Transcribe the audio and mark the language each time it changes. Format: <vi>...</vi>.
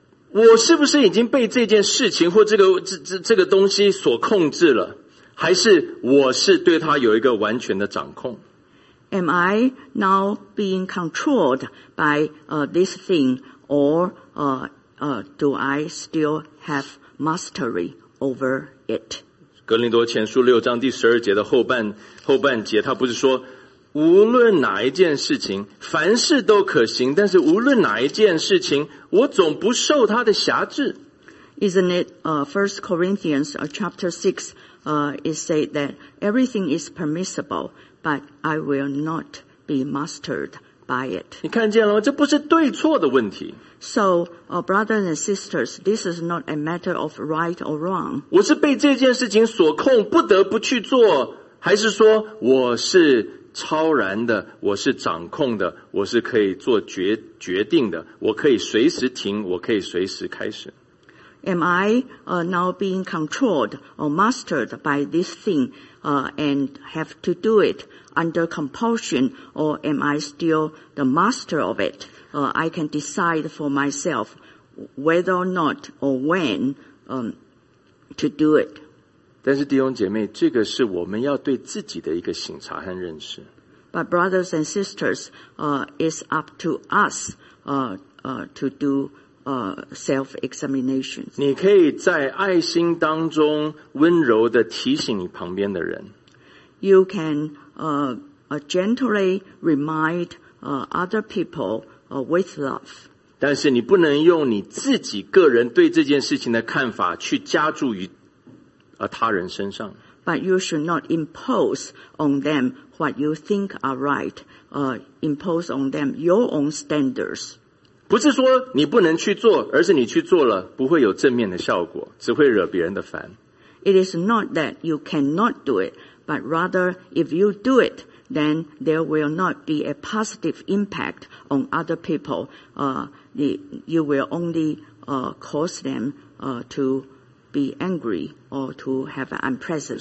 <zh>我是不是已经被这件事情或这个东西所控制了，还是我是对它有一个完全的掌控？</zh> <en>Am I now being controlled by this thing, or do I still have mastery over it?</en> <zh>哥林多前书六章第十二节的后半节，他不是说无论哪一件事情凡事都可行，但是无论哪一件事情我总不受他的辖制。</zh> <en>Isn't it 1 Corinthians chapter 6 it said that everything is permissible, but I will not be mastered by it.</en> <zh>你看见了吗？这不是对错的问题。</zh> <en>So, brothers and sisters, this is not a matter of right or wrong.</en> <zh>我是被这件事情所控，不得不去做，还是说我是超然的，我是掌控的，我是可以做决定的，我可以随时停，我可以随时开始。</zh> <en>Am I now being controlled or mastered by this thing and have to do it under compulsion, or am I still the master of it? I can decide for myself whether or not or when to do it.</en> <zh>但是弟兄姐妹，这个是我们要对自己的一个省察和认识。</zh> <en>But brothers and sisters, it's up to us to do self-examination.</en> <zh>你可以在爱心当中温柔地提醒你旁边的人。</zh> <en>You can gently remind other people with love.</en> <zh>但是你不能用你自己个人对这件事情的看法去加注于他人身上。</zh> <en>But you should not impose on them what you think are right. Impose on them your own standards.</en> <zh>不是说你不能去做，而是你去做了不会有正面的效果，只会惹别人的烦。</zh> <en>It is not that you cannot do it, but rather if you do it, then there will not be a positive impact on other people. You will only cause them to be angry or to have an unpleasant</en>